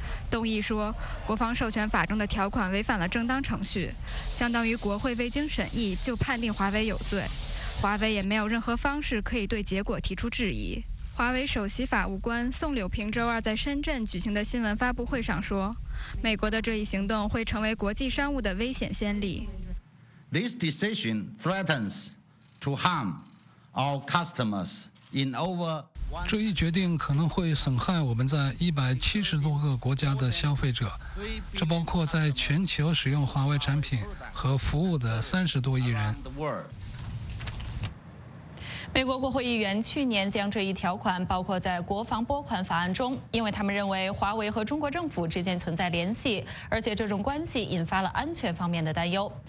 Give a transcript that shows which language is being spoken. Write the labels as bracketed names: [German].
[Chinese] 动议说，国防授权法中的条款违反了正当程序，相当于国会未经审议就判定华为有罪，华为也没有任何方式可以对结果提出质疑。华为首席法务官宋柳平周二在深圳举行的新闻发布会上说，美国的这一行动会成为国际商务的危险先例。 [English] This decision threatens to harm our customers in over... [Chinese] 这一决定可能会损害我们在170多个国家的消费者，这包括在全球使用华为产品和服务的30多亿人。美国国会议员去年将这一条款包括在国防拨款法案中，因为他们认为华为和中国政府之间存在联系，而且这种关系引发了安全方面的担忧。